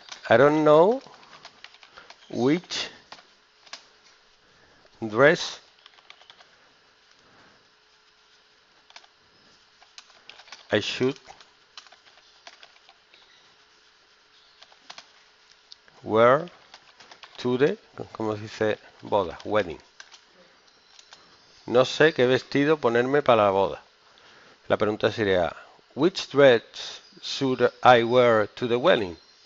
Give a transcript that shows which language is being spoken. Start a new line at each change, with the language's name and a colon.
English: I don't know which dress I should wear to the,
Spanish: como se dice, boda,
English: wedding.
Spanish: No sé qué vestido ponerme para la boda. La pregunta sería,
English: which dress should I wear to the wedding?